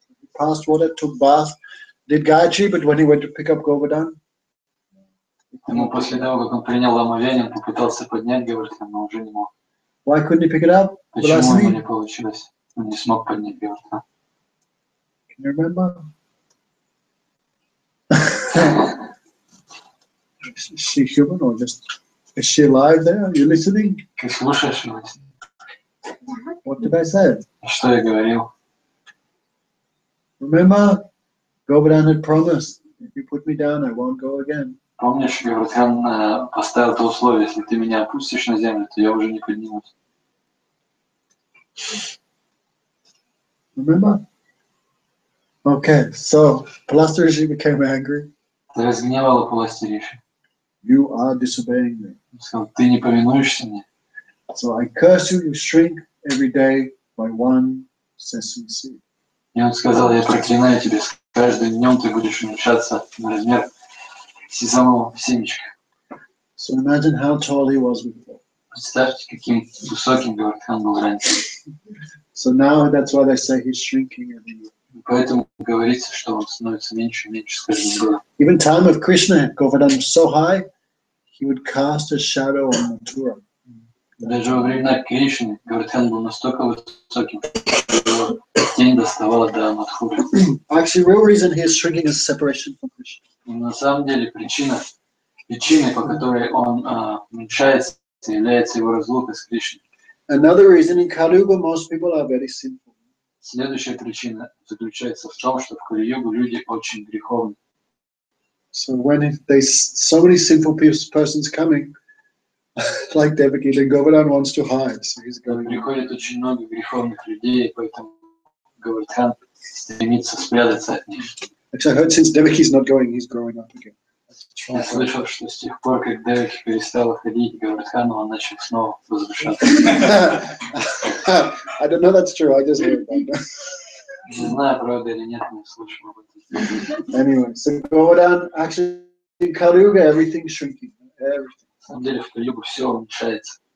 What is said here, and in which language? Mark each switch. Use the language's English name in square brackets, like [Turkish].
[English] He passed water, took bath, did Gayatri, but when he went to pick up Govardhan, [Russian] ему после того, как он принял омовение, он попытался поднять Govardhan, но уже не мог. [English] Why couldn't he pick it up? [Russian] Почему ему не получилось? Он не смог поднять Govardhan. [English] Can you remember? she human or just, is she alive there? Are you listening? [Russian] Ты слушаешь меня? [English] What did I say? [Russian] Что я говорил? [English] Remember, Goverdan had promised, if you put me down, I won't go again. [Russian] Помнишь, Goverdan поставил то условие, если ты меня опустишь на землю, то я уже не поднимусь. [English] Remember? Okay, so Паластериши became angry. [Russian] Ты разгневала Паластериши. [English] You are disobeying me. [Russian] Сказал, ты не повинуешься мне. [English] So I curse you, you shrink every day by one sesame seed. [Russian] И он сказал, я проклинаю тебя, с каждым днем ты будешь уменьшаться на размер сезамового семечка. [English] So imagine how tall he was before. [Russian] Представьте, каким высоким Goverdan был раньше. [English] So now that's why they say he's shrinking every year. [Russian] Поэтому говорится, что он становится меньше и меньше с каждым годом. [English] Even time of Krishna, Goverdan was so high, he would cast a shadow on Mathura. [Russian] Даже во времена Кришны Goverdan был настолько высоким, что тень доставала до Мадхуры. [English] Actually, real reason he is shrinking is separation from Krishna. [Russian] На самом деле причина, по которой он уменьшается, является его разлука с Кришной. [English] Another reason in Kaliyuga most people are very simple. [Russian] Следующая причина заключается в том, что в Кали-Югу люди очень греховны. [English] So when they so many simple persons coming, like Devaki, then Goverdan wants to hide, so he's going. [Russian] Приходит очень много греховных людей, поэтому Goverdan стремится спрятаться от них. [English] Actually, I heard since Devaki's not going, he's growing up again. [Russian] Я слышал, что с тех пор, как Деваки перестала ходить к Goverdan, он начал снова возвращаться. [English] I don't know that's true, I just heard that. [Russian] Не знаю, правда или нет, не слышал об этом. [English] Anyway, so Goverdan, actually, in Kali-Yuga everything's shrinking. Everything. [Russian] На самом деле, в Кали-Югу все уменьшается.